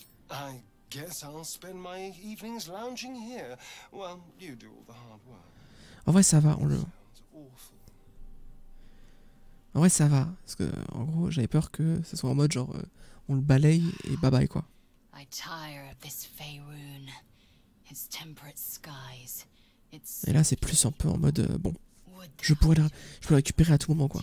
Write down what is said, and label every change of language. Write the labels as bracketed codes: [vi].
[en] I guess I'll spend my evenings lounging here. Well, you do all the hard work. [fr] En vrai, ça va. On le. En vrai, ça va. Parce que, en gros, j'avais peur que ce soit en mode genre, on le balaye et bye bye quoi. [en] I tire of this Faerun, its temperate skies. [fr] Et là, c'est plus un peu en mode, bon, je pourrais récupérer à tout moment quoi.